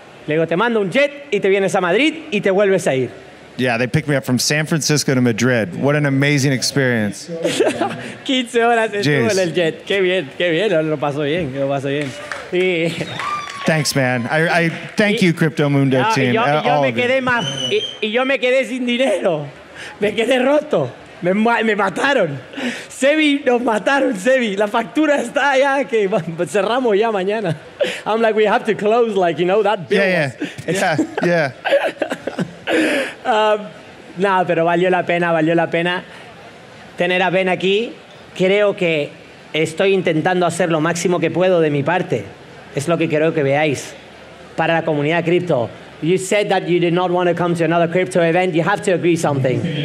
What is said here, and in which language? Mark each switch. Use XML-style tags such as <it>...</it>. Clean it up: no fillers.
<es>Le digo, te mando un jet y te vienes a Madrid y te vuelves a ir.</es> <en>Yeah, they picked me up from San Francisco to Madrid. What an amazing experience.</en> <es>15 horas estuvo en el jet. Qué bien, lo pasó bien, lo pasó bien. Sí.</es> <en>Thanks, man. I thank you, Crypto Mundo team.</en> <es>Yo me quedé sin dinero. Me quedé roto. Me mataron. Sebi, nos mataron, Sebi. La factura está allá. Que cerramos ya mañana.</es> <en>I'm like, we have to close, like, you know, that bill. Yeah.</en> <es>pero valió la pena, tener a Ben aquí. Creo que estoy intentando hacer lo máximo que puedo de mi parte. Es lo que quiero que veáis para la comunidad cripto.</es> <en>You said that you did not want to come to another crypto event. You have to agree something.</en>